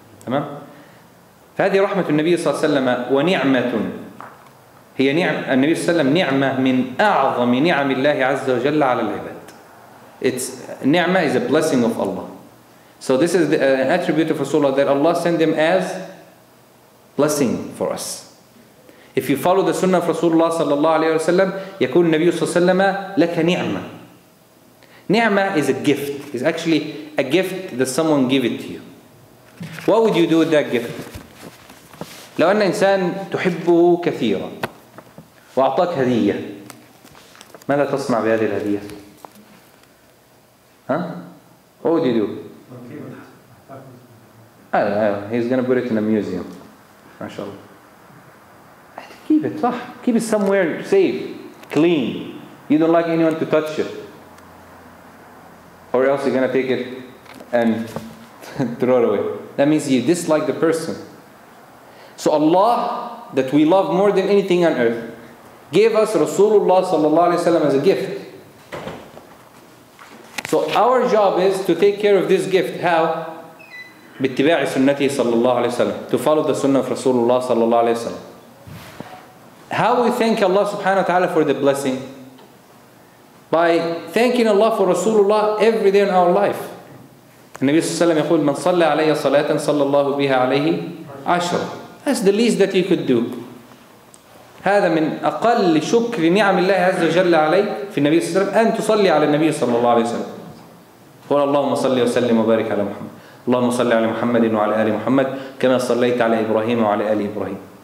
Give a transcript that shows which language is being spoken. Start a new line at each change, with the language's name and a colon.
Arabic: تمام؟ فهذه رحمة النبي صلى الله عليه وسلم ونعمة. هي نعم النبي صلى الله عليه وسلم نعمة من أعظم نعم الله عز وجل على العباد.
English: It's نعمة is a blessing of Allah. So this is an attribute of Rasulullah that Allah sent him as blessing for us.
Arabic: If you follow the Sunnah of Rasulullah صلى الله عليه وسلم, يكون النبي صلى الله عليه وسلم لك نعمة.
English: نعمة is a gift. It's actually a gift that someone gave it to you. What would you do with that gift?
Arabic: لو أن إنسان تحبه كثيرا وأعطاك هدية, ماذا تصنع بهذه الهدية؟ ها؟ What would you do?
English: He's gonna put it in a museum. ما شاء الله. Keep it, صح. Keep it somewhere safe, clean. You don't like anyone to touch it. Or else you're gonna take it and throw it away. That means you dislike the person. So Allah, that we love more than anything on earth, gave us Rasulullah sallallahu alayhi wa sallam as a gift. So our job is to take care of this gift.
Arabic: How? بِاتِّبَاعِ سُنَّتِهِ صَلَّى اللَّهُ عَلَيْهِ وَسَلَّمُ.
English: To follow the sunnah of Rasulullah sallallahu alayhi wa sallam. How we thank Allah subhanahu wa ta'ala for the blessing? By thanking Allah for Rasulullah every day in our life.
Arabic: النبي صلى الله عليه وسلم يقول من صلى علي صلاة صلى الله بها عليه عشر.
English: That's the least that you could do.
Arabic: هذا من أقل شكر نعم الله عز وجل عليه في النبي صلى الله عليه وسلم أن تصلي على النبي صلى الله عليه وسلم. قل اللهم صل وسلم وبارك على محمد. اللهم صل على محمد وعلى آل محمد كما صليت على إبراهيم وعلى آل إبراهيم.